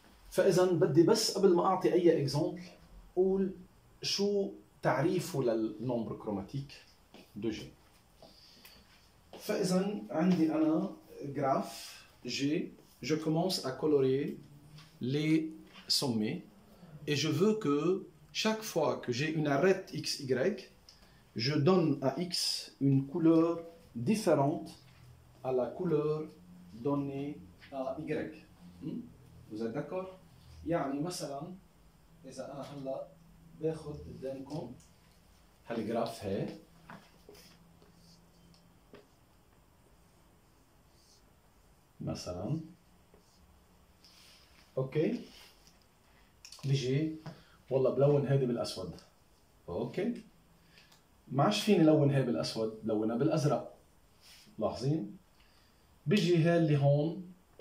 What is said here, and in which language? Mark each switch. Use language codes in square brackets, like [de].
[ar] فإذا بدي بس قبل ما أعطي أي إكزامبل قول شو تعريفه للنمبر كروماتيك دوجي. فإذا عندي أنا جراف جي [fr] je commence à colorier les sommets et je veux que chaque fois que j'ai une arête XY, je donne à X une couleur différente à la couleur donnée à Y. Vous êtes d'accord? [ar] يعني مثلا إذا أنا هلا باخذ قدامكم هالجراف هاي مثلا اوكي بيجي والله بلون هذه بالاسود اوكي ما عادش فيني لون هاي بالاسود لونها بالازرق لاحظين بيجي هاي اللي هون